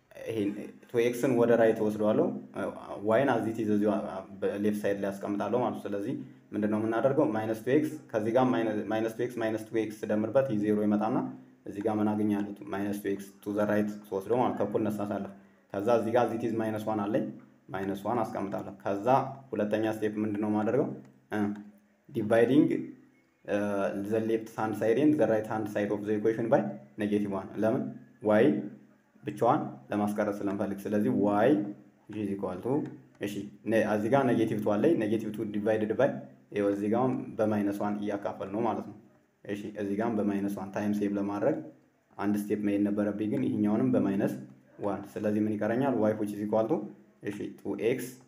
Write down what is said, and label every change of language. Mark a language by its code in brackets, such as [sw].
[am] ይሄን 2x-ን ወደ ራይት ወስደዋለሁ y-ን as it is እዚህ በሌፍት ሳይድ ላይ አስቀምጣለሁ ማለት ስለዚህ ምንድነው የምናደርገው? minus 2x ከዚህ ጋር minus 2x minus 2x ደምርበት ይሄ 0 ይመጣና እዚህ ጋር ምን አገኛለሁ? minus 2x to the right ወስደው ማለት ከኩል ነሳሳለሁ ከዛ እዚህ ጋር as it is minus 1 አለኝ minus 1 አስቀምጣለሁ ከዛ ሁለተኛ ስቴፕ ምንድነው የማደርገው? [en] dividing the left hand side in the right hand side of the equation by negative 1 ለምን? [am] y ብቻዋን ለማስቀረት ስለምፈልግ ስለዚህ y is equal to እሺ እዚህ ጋር ኔጌቲቭ 2 አለ ኔጌቲቭ 2 ዲቫይድድ ባይ ይሄው እዚህ ጋር በማይነስ 1 ይያካፈል ነው ማለት ነው እሺ እዚህ ጋር በማይነስ 1 ታይም ሴቭ ለማድረግ አንድ ስቴፕ መሄድ ነበረብኝ ግን ይሄኛውንም በማይነስ 1 ስለዚህ ምን ይቀረኛል y which is equal to እሺ 2x